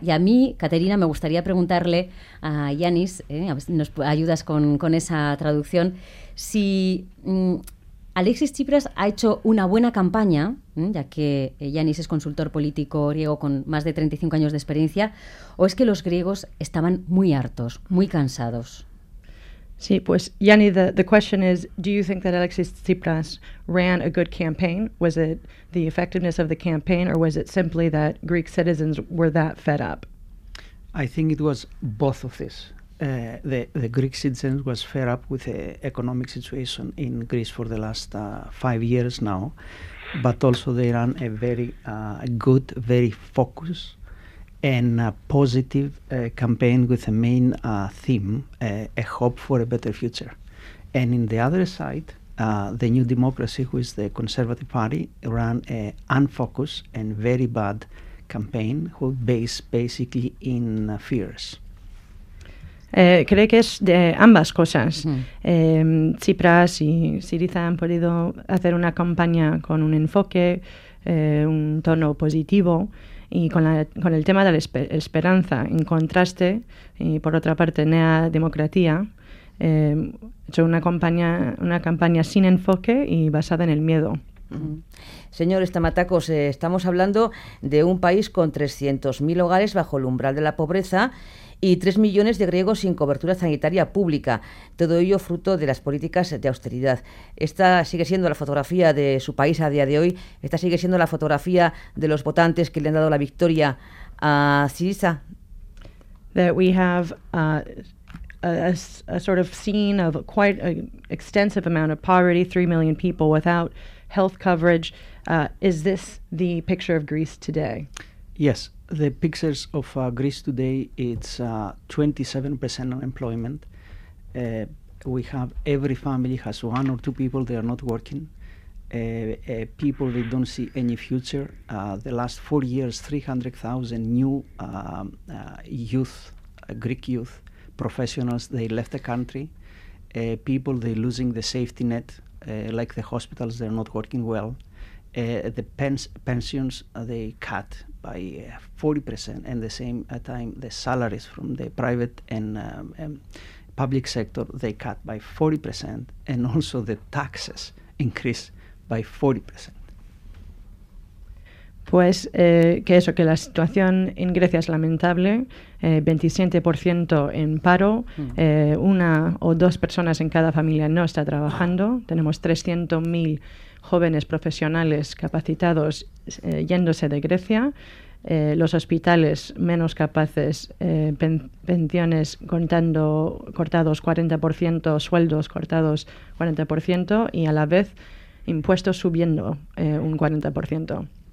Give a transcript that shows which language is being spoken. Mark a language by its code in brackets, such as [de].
[es] Y a mí, Caterina, me gustaría preguntarle a Yanis, a ver si nos ayudas con esa traducción, si Alexis Tsipras ha hecho una buena campaña, ya que Yanis es consultor político griego con más de 35 años de experiencia, o es que los griegos estaban muy hartos, muy cansados. Sí, pues [en] Yanis, the question is, do you think that Alexis Tsipras ran a good campaign? Was it the effectiveness of the campaign, or was it simply that Greek citizens were that fed up? I think it was both of this. The Greek citizens was fed up with the economic situation in Greece for the last 5 years now, but also they run a very good, very focused and positive campaign with a main theme, a hope for a better future. And in the other side, the New Democracy, who is the Conservative Party, ran an unfocused and very bad campaign who based basically in fears. [es] Cree que es de ambas cosas. Mm. Tsipras y Syriza han podido hacer una campaña con un enfoque, un tono positivo y con el tema de la esperanza. En contraste, y por otra parte, Nea Demokratia hecho una campaña sin enfoque y basada en el miedo. Señor Stamatakos, estamos hablando de un país con 300.000 hogares bajo el umbral de la pobreza y 3 millones de griegos sin cobertura sanitaria pública, todo ello fruto de las políticas de austeridad. ¿Esta sigue siendo la fotografía de su país a día de hoy? ¿Esta sigue siendo la fotografía de los votantes que le han dado la victoria a Syriza? [en] That we have a sort of scene of quite an extensive amount of poverty, 3 million people without health coverage. Is this the picture of Greece today? Yes. The pictures of Greece today, it's 27% unemployment. We have every family has one or two people, they are not working. People, they don't see any future. The last 4 years, 300,000 new youth, Greek youth, professionals, they left the country. People, they're losing the safety net, like the hospitals, they're not working well. The pensions, they cut by 40%, and at the same time, the salaries from the private and public sector, they cut by 40%, and also the taxes increase by 40%. [es] Pues que eso, que la situación en Grecia es lamentable, 27% en paro, una o dos personas en cada familia no está trabajando, tenemos 300.000 jóvenes profesionales capacitados yéndose de Grecia, los hospitales menos capaces, pensiones cortados 40%, sueldos cortados 40% y a la vez impuestos subiendo un 40%.